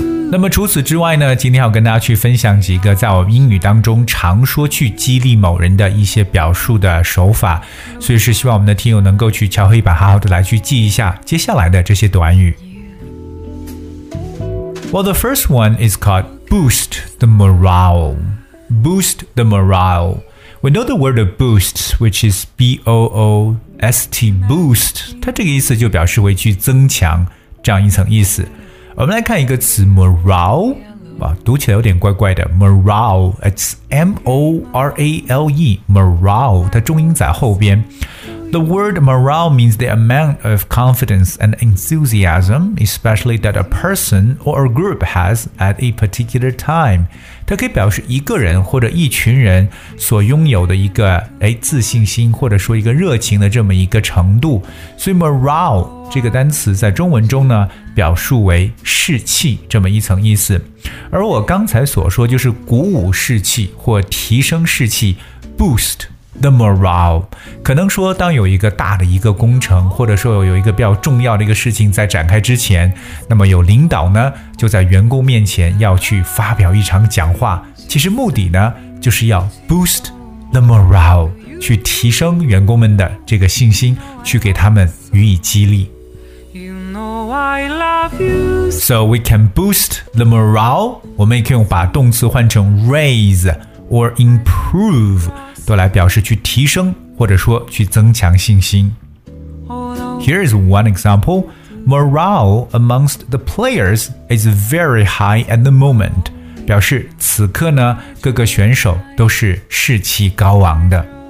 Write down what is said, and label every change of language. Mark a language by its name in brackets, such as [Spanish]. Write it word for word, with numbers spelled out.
[Chinese] 那么除此之外呢，今天要跟大家去分享几个在我们英语当中常说去激励某人的一些表述的手法，所以是希望我们的听友能够去敲黑板好好的来去记一下接下来的这些短语。 [English] Well, the first one is called boost the morale. Boost the morale. We know the word of boost, which is B O O S T, boost. [Chinese] 它这个意思就表示为去增强这样一层意思。我们来看一个词 morale， 哇，读起来有点怪怪的 morale, [English] it's M O R A L E, morale, [Chinese] 它重音在后边。 [English] The word morale means the amount of confidence and enthusiasm, especially that a person or a group has at a particular time. [Chinese] 它可以表示一个人或者一群人所拥有的一个哎自信心或者说一个热情的这么一个程度。所以 morale 这个单词在中文中呢表述为士气这么一层意思。而我刚才所说就是鼓舞士气或提升士气 boost. The morale 可能说当有一个大的一个工程或者说有一个比较重要的一个事情在展开之前，那么有领导呢就在员工面前要去发表一场讲话，其实目的呢就是要 [English] boost the morale， [Chinese] 去提升员工们的这个信心，去给他们予以激励。 [English] You know I love you. So we can boost the morale， [Chinese] 我们也可以把动词换成 [English] raise or improve [Chinese] 都来表示去提升或者说去增强信心。 [English] Here is one example. Morale amongst the players is very high at the moment. [Chinese] 表示此刻呢各个选手都是士气高昂的。